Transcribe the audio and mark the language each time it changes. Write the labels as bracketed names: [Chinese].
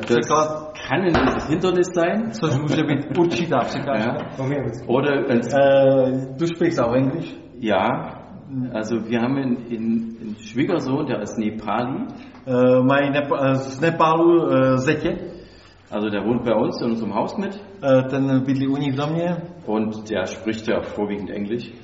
[German] Das kann ein Hindernis sein. [Czech] Což může být určitá překážka. [German] Ja. Oder du sprichst auch Englisch? Ja. Also wir haben einen Schwiegersohn, der ist Nepali. [Czech] Mein z Nepálu zetě. [German] Also der wohnt bei uns in unserem Haus mit. [Czech] Ten bydlí u nich v domě. [German] Und der spricht ja vorwiegend Englisch.